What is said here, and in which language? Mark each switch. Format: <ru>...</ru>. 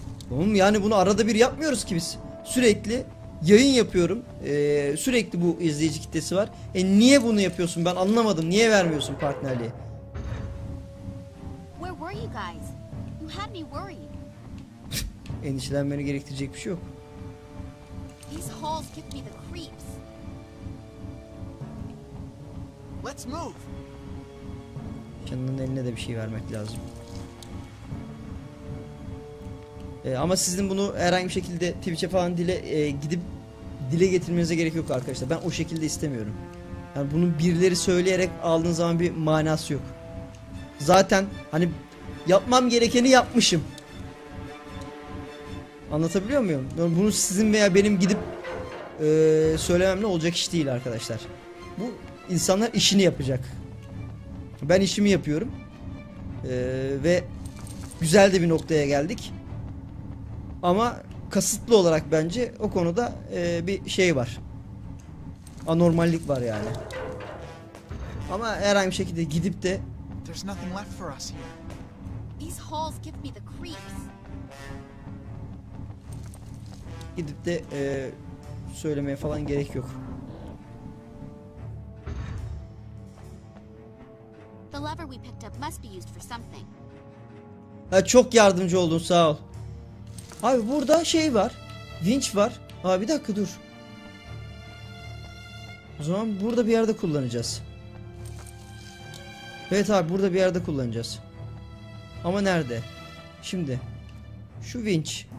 <tr>Oğlum yani bunu arada bir yapmıyoruz ki biz. Sürekli yayın yapıyorum. Sürekli bu izleyici kitlesi var. Niye bunu yapıyorsun? Ben anlamadım. Niye vermiyorsun partnerliği?</tr> <en>Where were you guys? You had me worried.</en> <tr>Endişelenmeni gerektirecek bir şey yok.</tr> <en>These halls give me the creeps. Let's move.</en> <tr>Canının eline de bir şey vermek lazım. Ama sizin bunu herhangi bir şekilde Twitch'e falan dile getirmenize gerek yok arkadaşlar. Ben o şekilde istemiyorum. Yani bunu birileri söyleyerek aldığın zaman bir manası yok. Zaten hani yapmam gerekeni yapmışım. Anlatabiliyor muyum? Bunu sizin veya benim gidip söylememle olacak iş değil arkadaşlar. Bu insanlar işini yapacak. Ben işimi yapıyorum. Ve güzel de bir noktaya geldik. Ama kasıtlı olarak bence o konuda bir şey var. Anormallik var yani. Ama herhangi bir şekilde gidip de...</tr> <en>There's nothing left for us here. These halls give me the creeps.</en> <tr>Gidip de söylemeye falan gerek yok.</tr> <en>The lever we picked up must be used for something.</en> <tr>Ha, çok yardımcı oldun sağ ol. Abi burada şey var. Winch var. Abi bir dakika dur. O zaman burada bir yerde kullanacağız. Evet abi burada bir yerde kullanacağız. Ama nerede? Şimdi. Şu winch.</tr>